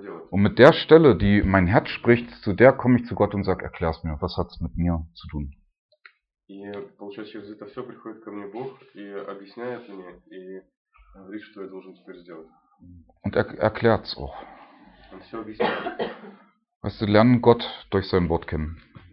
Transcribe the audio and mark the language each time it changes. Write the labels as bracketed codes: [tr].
[de] Und mit der Stelle, die mein Herz spricht, zu der komme ich zu Gott und sage, erklär's mir, was hat's mit mir zu tun? [ru] И получается, через это все приходит ко мне Бог и объясняет мне и говорит, что я должен теперь сделать. [de] Und erklärt's auch. [ru] Und все объясняет. [de] Weißt du, lernen Gott durch sein Wort kennen.